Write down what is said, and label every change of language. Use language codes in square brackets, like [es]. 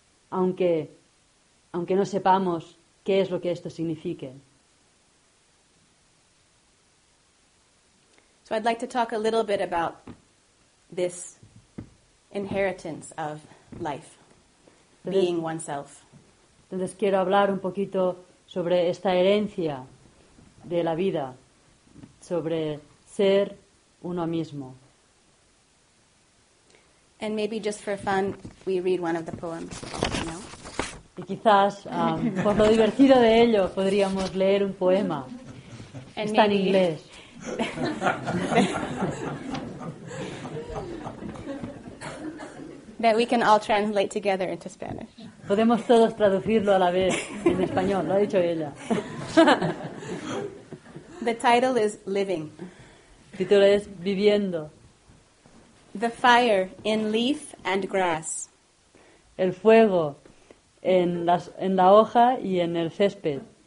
[es] Aunque no sepamos qué es lo que esto signifique. [en] So I'd like to talk a little bit about this inheritance of life. being oneself. [es] Entonces quiero hablar un poquito sobre esta herencia de la vida, sobre ser uno mismo. [en] And maybe just for fun, we read one of the poems, you know? [es] Y quizás por lo divertido de ello podríamos leer un poema. [en] And [es] está [en] maybe... [es] en inglés. [en] That we can all translate together into Spanish. [es] Podemos todos traducirlo a la vez en español, lo ha dicho ella. [en] The title is Living. [es] El título es Viviendo. [en] The fire in leaf and grass. [es] El fuego en la hoja y en el césped.